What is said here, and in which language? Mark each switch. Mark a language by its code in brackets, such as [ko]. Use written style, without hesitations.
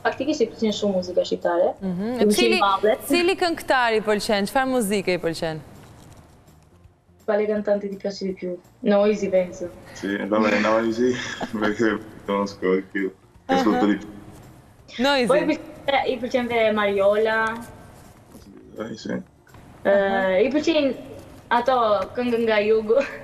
[sq] Faktikisht i pëlqen shumë muzika shqiptare. Cili këngëtar i pëlqen? Çfarë muzike i pëlqen? [it] Quale cantante ti piace di più? Noisy, penso. Sì, dame Noisy, perché conosco di più. Ascolto di più. Noisy. [sq] Poi i pëlqen dhe Mariola. [it] Sì. [sq] I pëlqen ato këngë nga jugu.